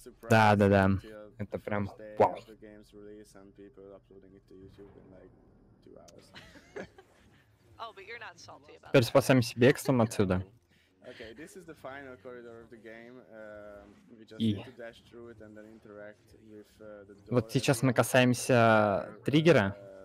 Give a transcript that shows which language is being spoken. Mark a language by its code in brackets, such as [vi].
[ru] Да. Это прям вау. Теперь спасаем себе экстом отсюда. [en] Okay, this is the final corridor of the game. We just need to dash through it and then interact with the door. [ru] Вот сейчас мы касаемся триггера.